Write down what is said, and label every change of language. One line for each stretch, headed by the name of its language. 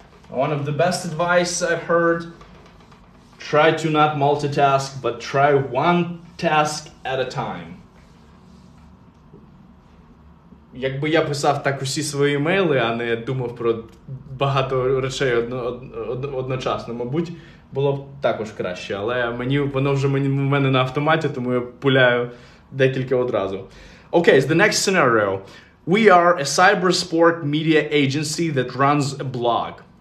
English: One of the best advice I've heard: try to not multitask, but try one task at a time.
Ukrainian: Якби я писав так усі свої емейли, а не думав про багато речей одночасно, мабуть, було б також краще. Але воно вже в мене на автоматі, тому я пуляю декілька одразу.
English: Okay, the next scenario. We are a cybersport media agency that runs a blog.